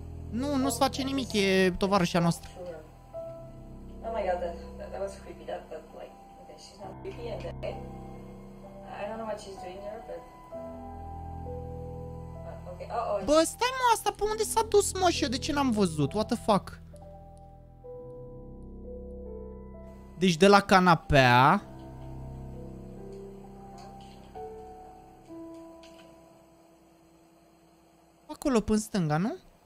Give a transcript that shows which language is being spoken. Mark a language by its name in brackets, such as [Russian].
[Romanian] Nu, nu se face nimic, e tovarășa noastră. [English] Oh my god, that was creepy, that like, okay, she's not creepy, and okay. I don't know what she's doing there, but okay. Oh. [Romanian] Bă, stai mă, asta pe unde s-a dus, mă, și eu de ce n-am văzut? [English] What the fuck? [Romanian] Deci de la canapea. Acolo pe-n stânga, nu?